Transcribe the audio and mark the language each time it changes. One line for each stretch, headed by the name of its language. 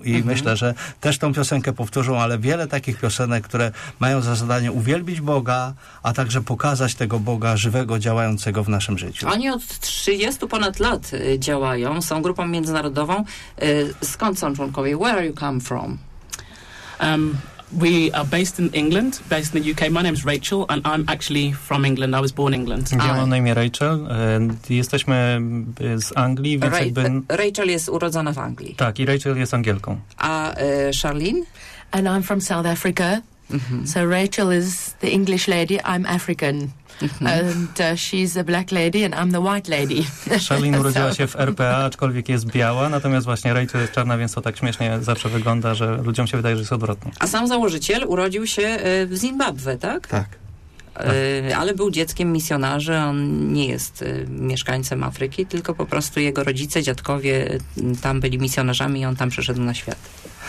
Polish: I myślę, że też tą piosenkę powtórzą, ale wiele takich piosenek, które mają za zadanie uwielbić Boga, a także pokazać tego Boga żywego, działającego w naszym życiu. Oni od 30 ponad lat działają, są grupą międzynarodową. Skąd są członkowie?
English: Where are you come from? We are based in England, based in the UK. My name is Rachel and I'm actually from England. I was born in England.
Polish: Ja mam na imię Rachel. Jesteśmy z Anglii, więc Rachel jest urodzona w Anglii. Tak, i Rachel jest Angielką. A Charlene?
English: And I'm from South Africa. So Rachel is the English lady, I'm African. And she's a black lady and I'm the white lady.
Polish: Charlene urodziła się w RPA, aczkolwiek jest biała, natomiast właśnie Rachel jest czarna, więc to tak śmiesznie zawsze wygląda, że ludziom się wydaje, że jest odwrotnie. A sam założyciel urodził się w Zimbabwe, tak? Tak. Ale był dzieckiem misjonarzy, on nie jest mieszkańcem Afryki, tylko po prostu jego rodzice, dziadkowie tam byli misjonarzami i on tam przeszedł na świat.